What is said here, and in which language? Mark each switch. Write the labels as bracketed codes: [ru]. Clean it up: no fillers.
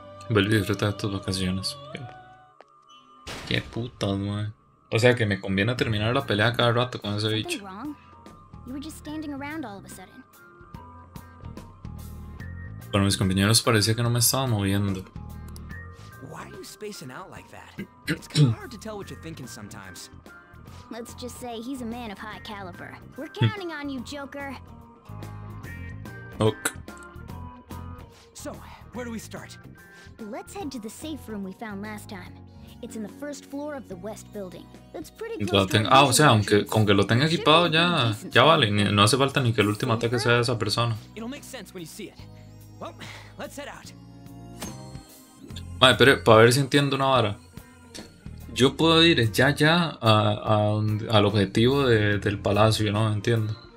[es] Vuelve y disfruta de tus vacaciones. Qué putas, man. O sea que me conviene terminar la pelea cada rato con ese bicho. Bueno, mis compañeros parecía que no me estaba moviendo. [en] Spacing out like that. It's kind of hard to tell what you're thinking sometimes. Let's just say he's a man of high caliber. We're counting on you, Joker. Ok. So, where do we start? Let's head to the safe room we found last time. It's in the first floor of the West building. That's pretty close. [es] O sea, aunque con que lo tenga equipado ya vale, no hace falta ni que el último ataque sea de esa persona. [en] It'll make sense when you see it. Well, let's head out. [es] Madre, pero para ver si entiendo una vara. Yo puedo ir ya al objetivo del palacio, ¿no? Entiendo.